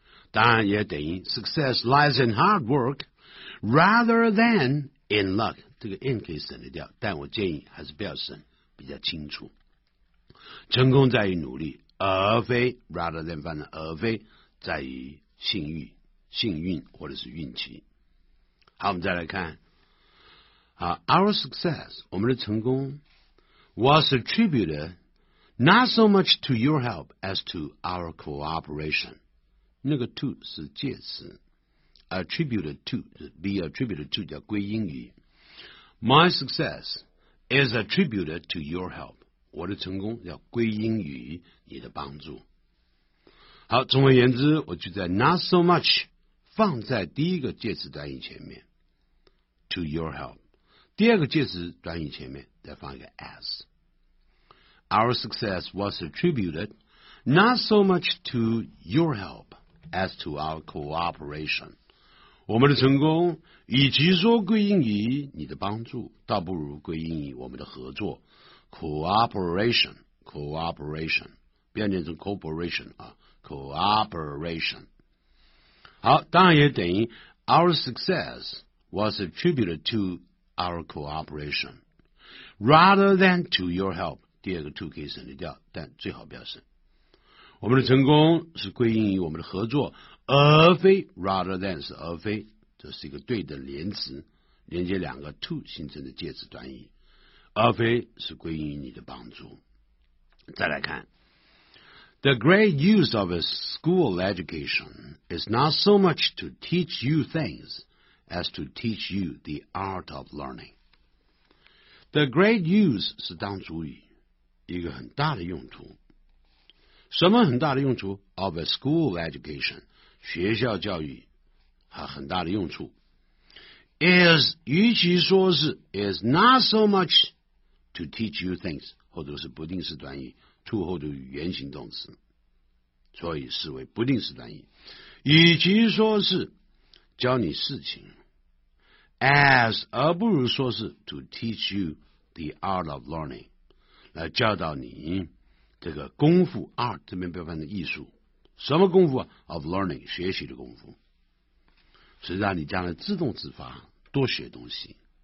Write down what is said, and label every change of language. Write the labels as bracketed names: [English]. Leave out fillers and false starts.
[Chinese] 当然也等于 [English] success lies in hard work rather than in luck， [Chinese] 这个 in 可以省得掉，但我建议还是不要省，比较清楚。成功在于努力，而非 rather than 反正而非在于幸运，幸运或者是运气。 [English] 好，我们再来看啊， our success [Chinese] 我们的成功 [English] was attributed not so much to your help as to our cooperation，那个 to 是介词， attributed to， be attributed to [Chinese] 叫归因于。 [English] My success is attributed to your help， [Chinese] 我的成功要归因于你的帮助。好，总而言之，我就在 not so much 放在第一个介词短语前面 to your help， 第二个介词短语前面再放一个 as。 [English] Our success was attributed not so much to your help as to our cooperation， [Chinese] 我们的成功与其说归因于你的帮助，倒不如归因于我们的合作， [English] cooperation， cooperation 变成 cooperation 啊， cooperation。好，当然也等于 our success was attributed to our cooperation rather than to your help， 第二个 to [Chinese] 可以省掉，但最好不要省。我们的成功是归因于我们的合作，而非 rather than 是而非，这是一个对的连词，连接两个 to 形成的介词短语，而非是归因于你的帮助。 [English] 再来看， The great use of a school education is not so much to teach you things as to teach you the art of learning。 [Chinese] The great use 是当主语，一个很大的用途。什么很大的用处？ [English] of a school education， [Chinese] 学校教育啊，很大的用处。 [English] is [Chinese] 与其说是 [English] is not so much [Chinese] to teach you things， 后头是不定式短语 ，to 后头原形动词，所以视为不定式短语。与其说是教你事情 ，as 而不如说是 [English] to teach you the art of learning， [Chinese] 来教导你这个功夫 art 这边表达的艺术，什么功夫啊 ？of learning 学习的功夫，是让你将来自动自发多学东西。